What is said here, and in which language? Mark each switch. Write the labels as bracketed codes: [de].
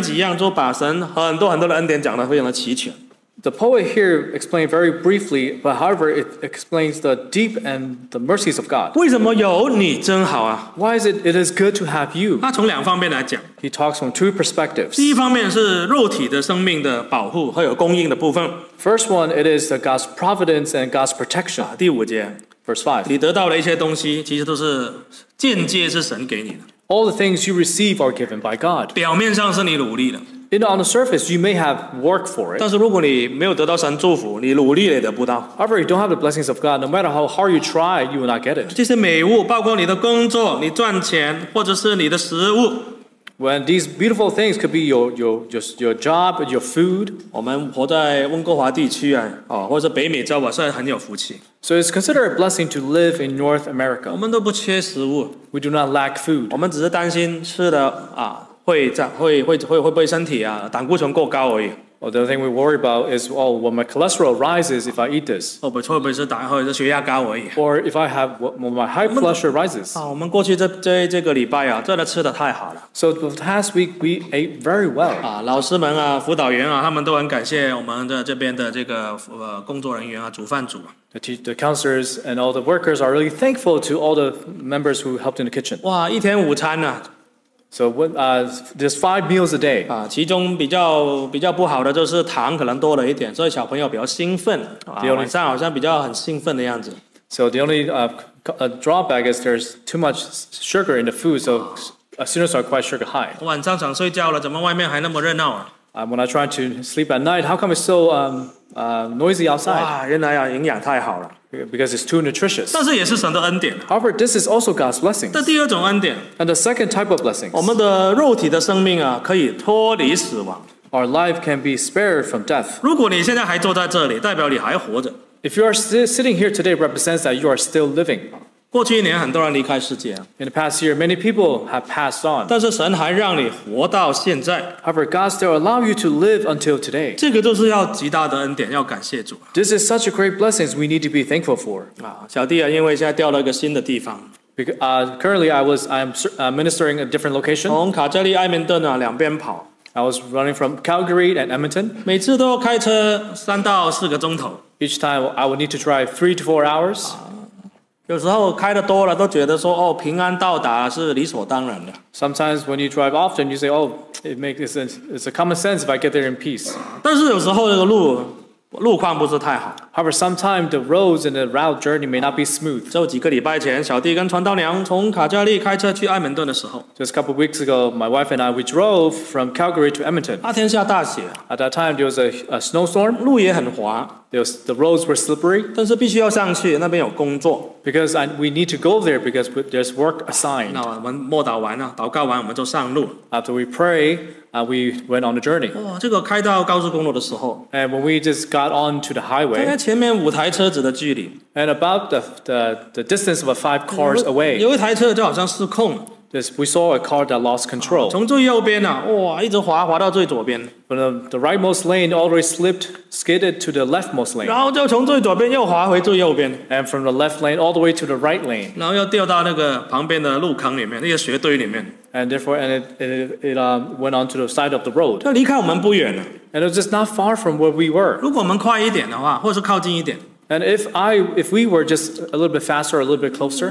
[zh] 哇,这里诗人随便讲几样,就把神很多很多的恩典讲得非常的齐全。 [en] The poet here explained very briefly, but however, it explains the deep and the mercies of God. [zh] 为什么有你真好啊? [en] Why is it is good to have you? [zh] 他从两方面来讲, [en] he talks from two perspectives. [zh] 第一方面是肉体的生命的保护和有供应的部分。 [en] First one, it is God's providence and God's protection. [zh] 第五节, [en] verse 5. [zh] 你得到的一些东西其实都是间接是神给你的。 [en] All the things you receive are given by God. [zh] 表面上是你努力的。 [en] On the surface, you may have worked for it. [zh] 但是如果你没有得到神祝福, 你努力也得不到。 [en] However, you don't have the blessings of God. No matter how hard you try, you will not get it. [zh] 这些美物, 包括你的工作, 你赚钱, 或者是你的食物, [en] when these beautiful things could be your job, your food. [zh] 我们活在温哥华地区啊, 或者是北美洲啊, 算是很有福气。 [en] So it's considered a blessing to live in North America. [zh] 我们都不缺食物。 [en] We do not lack food. [zh] 我们只是担心吃的啊, 会不会身体啊,胆固醇过高而已。 [en] Well, the other thing we worry about is, well, when my cholesterol rises if I eat this. [zh] 会不会是血压高而已。 [en] Or if I have, when my high cholesterol rises. [zh] 我们过去这个礼拜啊,真的吃得太好了。 [en] So the past week, we ate very well. [zh] 老师们啊,辅导员啊,他们都很感谢我们这边的这个工作人员啊,煮饭组啊。 [en] The counselors and all the workers are really thankful to all the members who helped in the kitchen. [zh] 哇,一天午餐啊。 [en] So what, there's five meals a day. [zh] 其中比较不好的就是糖可能多了一点, 所以小朋友比较兴奋, 晚上好像比较很兴奋的样子。 [en] So the only drawback is there's too much sugar in the food, so students are quite sugar high. [zh] 晚上想睡觉了,怎么外面还那么热闹啊? [en] When I try to sleep at night, how come it's so noisy outside? [zh] 哇,原来啊,营养太好了。 [en] Because it's too nutritious. [zh] 但是也是神的恩典, [en] however, this is also God's blessing. [zh] 这第二种恩典, [en] and the second type of blessings. [zh] 我们的肉体的生命啊, 可以脱离死亡, [en] our life can be spared from death. [zh] 如果你现在还坐在这里, 代表你还活着, [en] if you are sitting here today, it represents that you are still living. [zh] 过去一年很多人离开世界, [en] in the past year, many people have passed on. [zh] 但是神还让你活到现在, [en] however, God still allows you to live until today. [zh] 这个就是要极大的恩典, 要感谢主, [en] this is such a great blessing we need to be thankful for. [zh] 小弟啊,因为现在调了一个新的地方, [en] currently, I'm ministering a different location. [zh] 从卡加利埃门顿啊, 两边跑, [en] I was running from Calgary and Edmonton. [zh] 每次都开车3到4个钟头, [en] each time, I would need to drive 3 to 4 hours. [zh] 有时候开得多了都觉得说, 哦, 平安到达是理所当然的。 [en] Sometimes when you drive often, you say, oh, it makes sense. It's a common sense if I get there in peace. [zh] 但是有时候路况不是太好。 [en] However, sometimes the roads and the route journey may not be smooth. [zh] 就几个礼拜前, 小弟跟传道娘从卡加利开车去埃门顿的时候, [en] just a couple of weeks ago, my wife and I, we drove from Calgary to Edmonton. [zh] 那天下大雪, [en] at that time, there was a snowstorm. [zh] 路也很滑, [en] the roads were slippery. [zh] 但是必须要上去, 那边有工作, [en] because we need to go there because there's work assigned. [zh] 那我们默祷完了, 祷告完, 我们就上路。 [en] After we pray, we went on a journey. [zh] 哦, 这个开到高速公路的时候, [en] and when we just got onto the highway, [zh] 前面5台车子的距离, [en] and about the distance of 5 cars away, [zh] 有一台车就好像失控, [en] we saw a car that lost control. [zh] 从最右边啊, 哇, 一直滑, 滑到最左边, [en] from the rightmost lane already slipped, skidded to the leftmost lane, [zh] 然后就从最左边又滑回最右边, [en] and from the left lane all the way to the right lane, [zh] 然后又掉到那个旁边的路坑里面, 那个雪堆里面, [en] and therefore it went onto the side of the road. [zh] 离开我们不远, [en] and it was just not far from where we were. [zh] 如果我们快一点的话, 或是靠近一点, [en] and if we were just a little bit faster or a little bit closer,